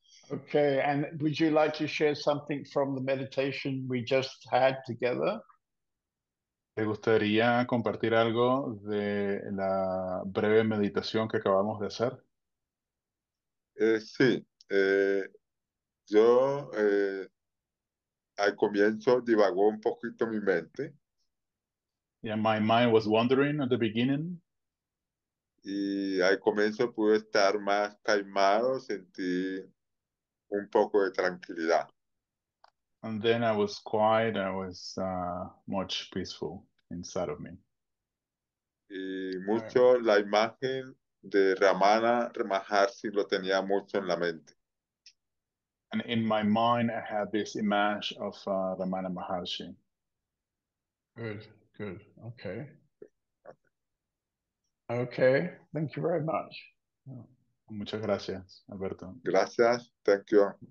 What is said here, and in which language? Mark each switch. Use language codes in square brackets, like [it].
[en] Okay, and would you like to share something from the meditation we just had together? [es] ¿Te gustaría compartir algo de la breve meditación que acabamos de hacer? Sí, yo al comienzo divagó un poquito mi mente [en] Yeah, my mind was wandering at the beginning. [es] y al comienzo pude estar más calmado, sentí un poco de tranquilidad. [en] And then I was quiet, I was much peaceful inside of me. [es] Y [en] Right. [es] mucho la imagen de Ramana Maharshi lo tenía mucho en la mente. [en] And in my mind, I had this image of Ramana Maharshi. Good, good. Okay. Okay, thank you very much. [es] Muchas gracias, Alberto. Gracias, [en] thank you.